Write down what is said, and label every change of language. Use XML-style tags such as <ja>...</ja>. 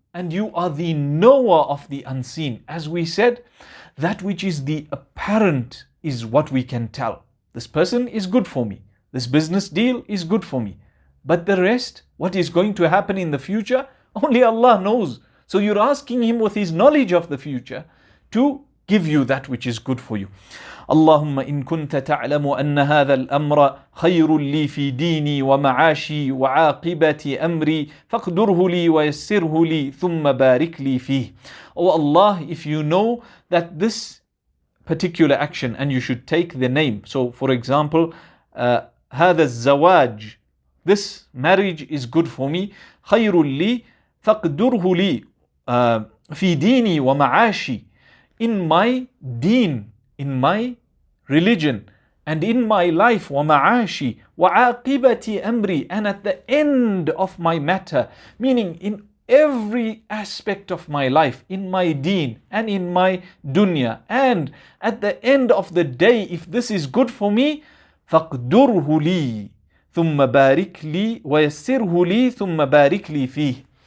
<en>And you are the knower of the unseen. As we said, that which is the apparent is what we can tell. This person is good for me. This business deal is good for me. But the rest, what is going to happen in the future, only Allah knows. So you're asking Him with His knowledge of the future to give you that which is good for you.</en> <ar>اللهم إن كنت تعلم أن هذا الأمر خير لي في ديني ومعاشي وعاقبة أمري فاقدره لي ويسره لي ثم بارك لي فيه.</ar> <en>Oh Allah, if you know that this particular action, and you should take the name. So for example,</en> <ar>هذا الزواج,</ar> <en>this marriage is good for me.</en> <ar>خير لي فاقدره لي في ديني ومعاشي.</ar> <en>In my deen, in my religion, and in my life,</en> <ar>وَمَعَاشِي وَعَاقِبَةِ أَمْرِي,</ar> <en>and at the end of my matter, meaning in every aspect of my life, in my deen, and in my dunya, and at the end of the day, if this is good for me,</en> <ar>فَقْدُرْهُ لِي ثُمَّ بَارِكْ لِي وَيَسِّرْهُ لِي ثُمَّ بَارِكْ لِي فِيهِ.</ar>